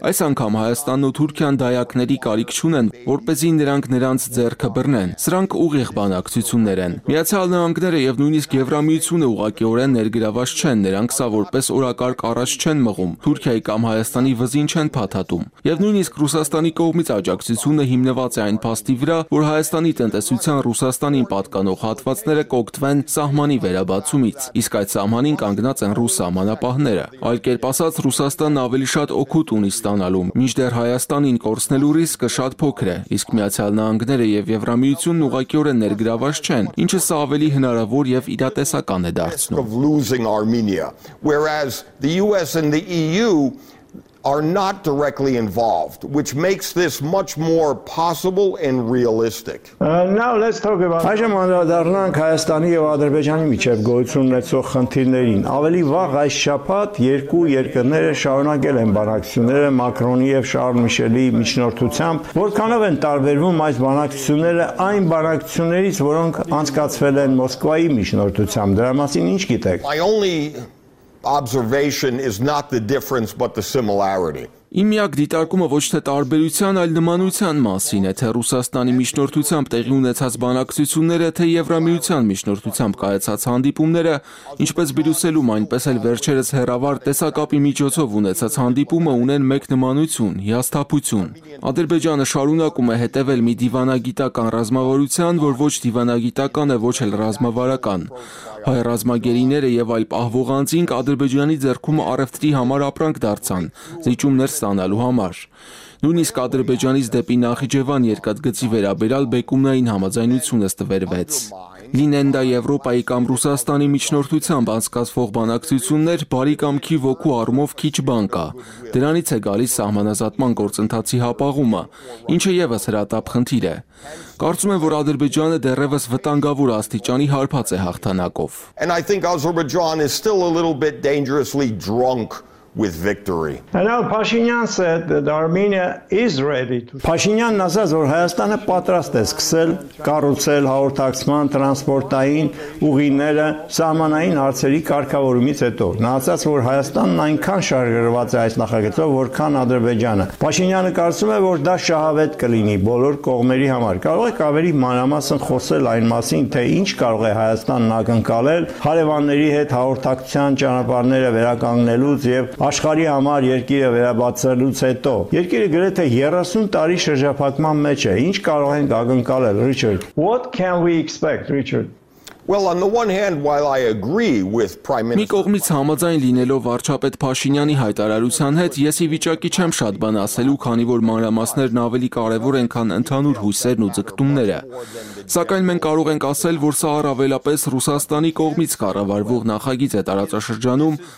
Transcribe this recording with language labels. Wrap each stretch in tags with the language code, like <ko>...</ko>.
<hy>այս անգամ Հայաստանն ու Թուրքիան դայակների կարիք չունեն, որպեսզի նրանք նրանց ձեռքը բռնեն։ Սրանք ուղիղ բանակցություններ են։ Միացյալ Նահանգները եւ նույնիսկ Եվրամիությունը ուղղակի օրեն ներգրավված չեն, նրանք սա որպես օրակարգ առաջ չեն մղում, Թուրքիայի կամ Հայաստանի վզին չեն փաթաթում։ Եվ նույնիսկ Ռուսաստանի կողմից աջակցությունը հիմնված է այն փաստի վրա, որ Հայաստանի տնտեսության Ռուսաստանին պատկանող հատվածները կօգտվեն սահմանի վերաբացումից, իսկ այդ սահմանին կանգնած են ռուս սահմանապահները։ Այլ կերպ ասած, Ռուսաստանն ավելի շատ օգուտ ունի ստանալու, մինչդեռ Հայաստանին կորցնելու ռիսկը շատ փոքր է, իսկ Միացյալ Նահանգները եւ Եվրամիությունն ուղղակիորեն ներգրավված չեն, ինչը սա ավելի հնարավոր եւ իրատեսական է դարձնում</hy> <en>of losing Armenia, whereas the US and the EU are not directly involved, which makes this much more possible and realistic. Now let's talk about.</en> <hy>Այժմ անդրադառնանք Հայաստանի եւ Ադրբեջանի միջև գործում ունեցող խնդիրներին։ Ավելի վաղ այս շաբաթ երկու երկրները շարունակել են բանակցությունները Մակրոնի եւ Շարլ Միշելի միջնորդությամբ։ Որքանով են տարբերվում այս բանակցությունները այն բանակցություններից, որոնք անցկացվել են Մոսկվայի միջնորդությամբ։ Դրա մասին ինչ գիտեք։</hy> <en>Observation is not the difference but the similarity.</en> <hy>Իմիակ դիտարկումը ոչ թե տարբերության, այլ նմանության մասին է, թե Ռուսաստանի միջնորդությամբ տեղի ունեցած բանակցությունները, թե Եվրամիության միջնորդությամբ կայացած հանդիպումները, ինչպես Բրյուսելում, այնպես էլ վերջերս հերավար տեսակապի միջոցով ունեցած հանդիպումը ունեն մեկ նմանություն՝ հիասթափություն։ Ադրբեջանը շարունակում է հետևել մի դիվանագիտական ռազմավարության, որ ոչ դիվանագիտական է, ոչ էլ ռազմավարական։ Հայ ռազմագերիները եւ այլ պահվողանցին Ադրբեջանի ձեռքում առևտրի համար ապրանք դարձան, զիջումներ ստանալու համար։ Նույնիսկ Ադրբեջանից դեպի Նախիջևան երկաթգծի վերաբերալ բեկումնային համաձայնությունը ստվերվեց։ Լինեն դա Եվրոպայի կամ Ռուսաստանի միջնորդությամբ անցկացվող բանակցություններ, բարի կամքի ոգու առումով քիչ բան կա։ Դրանից է գալիս սահմանազատման գործընթացի հապաղումը, ինչը եւս հրատապ խնդիր է։ Կարծում եմ, որ Ադրբեջանը դեռևս վտանգավոր աստիճանի հարբած է հաղթանակով։</hy> <en>And I think Azerbaijan is still a little bit dangerously drunk with victory. And now Pashinyan said that Armenia is ready to</en> <hy>Pashinyan ասաց, որ Հայաստանը պատրաստ է սկսել կառուցել հաղորդակցման տրանսպորտային ուղիները սահմանային հարցերի կարգավորումից հետո։ Նա ասաց, որ Հայաստանն այնքան շարժվում է այս նախագծով, որքան Ադրբեջանը։ Պաշինյանը կարծում է, որ դա շահավետ կլինի բոլոր կողմերի համար։ Կարող եք ավելի մանրամասն խոսել այն մասին, թե ինչ կարող է Հայաստանն ակնկալել հարևանների հետ հաղորդակցության ճանապարհները վերականգնելուց և աշխարհի համար երկիրը վերաբացելուց հետո։ Երկիրը գրեթե 30 տարի շրջափակման մեջ է։ Ինչ կարող ենք ակնկալել, Ռիչարդ։</hy> <en>What can we expect, Richard? Well, on the one hand, while I agree with Prime Minister</en> <hy>Մի կողմից համաձայն լինելով վարչապետ Փաշինյանի հայտարարության հետ, ես ի վիճակի չեմ շատ բան ասելու, քանի որ մանրամասներն ավելի կարևոր են, քան ընդհանուր հույսերն ու ձգտումները։ Սակայն մենք կարող ենք ասել, որ սա առավելապես Ռուսաստանի կողմից կառավարվող նախագիծ է տարածաշրջանում</hy>